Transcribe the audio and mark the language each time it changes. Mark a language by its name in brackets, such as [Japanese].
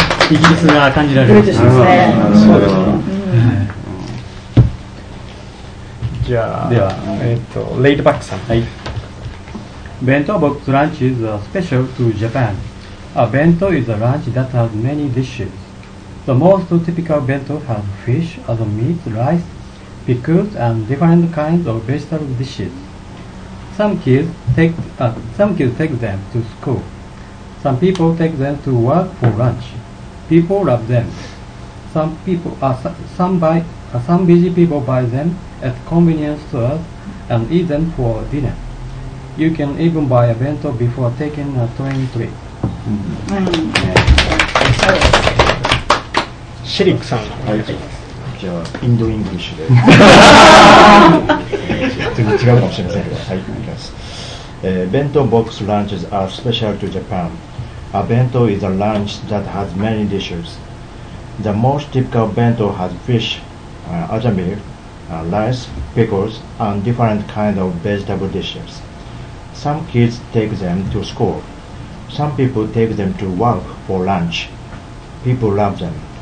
[Japanese] イギリスが感じられる。ですね。そうだ。じゃあ、では、レイドバックさん。 [English] はい。Bento box lunch is special to Japan. A bento is a lunch that has many dishes. The most typical bento has fish, other meat, rice. Pickles and different kinds of vegetable dishes. Some kids take them to school. Some people take them to work for lunch. People love them. Some busy people buy them at convenience stores and eat them for dinner. You can even buy a bento before taking a train trip. [Japanese] シリックさん。はい。じゃあインドイングリッシュで全然違うかもしれませんけど、はい、行きます。 [English] Bento box lunches are special to Japan. A bento is a lunch that has many dishes. The most typical bento has fish, other meat, rice, pickles, and different kinds of vegetable dishes. Some kids take them to school. Some people take them to work for lunch. People love them.